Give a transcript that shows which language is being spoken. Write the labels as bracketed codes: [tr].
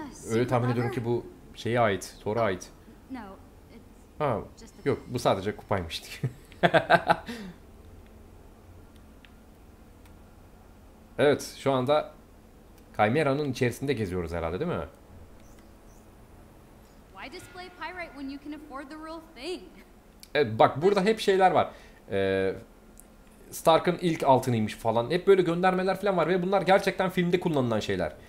[tr] Öyle tahmin ediyorum ki bu şeye ait, Thor'a ait. Ha, yok, bu sadece kupaymış. Evet, şu anda Chimera'nın içerisinde geziyoruz herhalde, değil mi? [en] Why display pyrite when you can afford the real thing? [tr] Bak burada hep şeyler var. Stark'ın ilk altınıymış falan. Hep böyle göndermeler falan var ve bunlar gerçekten filmde kullanılan şeyler.